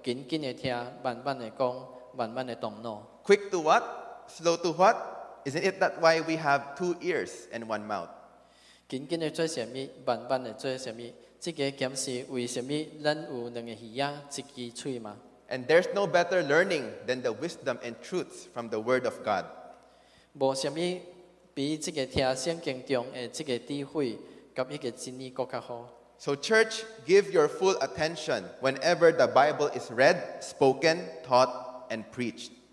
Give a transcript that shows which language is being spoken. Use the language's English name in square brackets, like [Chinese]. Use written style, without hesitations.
[Min Nan Chinese] 雅各书1:19，我亲爱的兄弟们啊，恁这个是我所知影的，但是恁各人要紧紧的听，慢慢的讲，慢慢的动怒。 [English] Quick to what? Slow to what? Isn't it that why we have two ears and one mouth? [Min Nan Chinese] 紧紧的做什么，慢慢的做什么，这个兼是为什么？咱有两个耳呀，一支嘴嘛。 [English] And there's no better learning than the wisdom and truths from the Word of God. [Min Nan Chinese] 无什么比这个听圣经中的这个智慧，甲迄个真理更加好。 [English] So church, give your full attention whenever the Bible is read, spoken, taught, and preached.